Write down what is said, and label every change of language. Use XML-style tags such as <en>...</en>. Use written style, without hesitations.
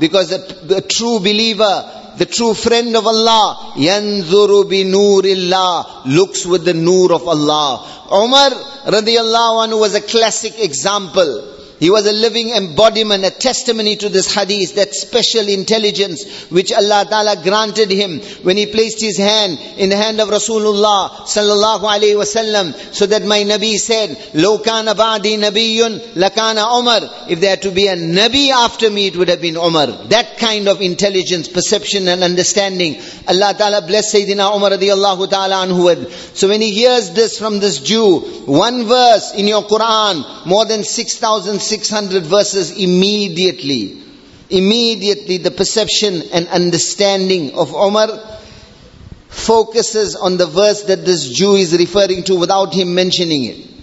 <en>Because a true believer, the true friend of Allah,</en> <ar>يَنْذُرُ بِنُورِ اللَّهِ,</ar> <en>looks with the noor of Allah. Umar radiallahu anhu was a classic example. He was a living embodiment, a testimony to this hadith, that special intelligence which Allah Ta'ala granted him when he placed his hand in the hand of Rasulullah sallallahu alayhi wa sallam. So that my Nabi said,</en> <ar>لو كان بعدي نبيٌ لكان عمر.</ar> <en>If there had to be a Nabi after me, it would have been Umar. That kind of intelligence, perception and understanding, Allah Ta'ala bless Sayyidina Umar radiallahu ta'ala anhu. So when he hears this from this Jew, one verse in your Quran, more than 6,600 verses, immediately the perception and understanding of Umar focuses on the verse that this Jew is referring to without him mentioning it.</en>